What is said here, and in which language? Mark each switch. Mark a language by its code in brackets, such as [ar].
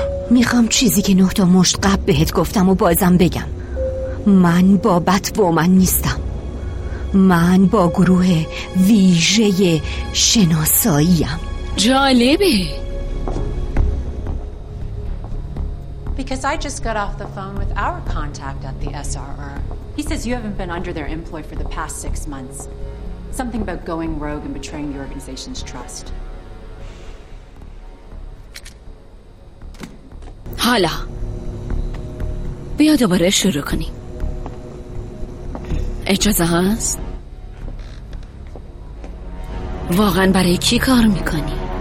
[fa] میخوام چیزی که 9 تا مشت قبل بهت گفتم و بازم بگم، من با بت وومن نیستم، من با گروه ویژه شناساییم. جالبه. [en] Because I just got off the phone with our contact at the SRR. He says you haven't been under their employ for the past 6 months. Something about going rogue and betraying the organization's trust. [fa] حالا بیا دوباره شروع کنی. اجازه هست؟ واقعا برای کی کار میکنی؟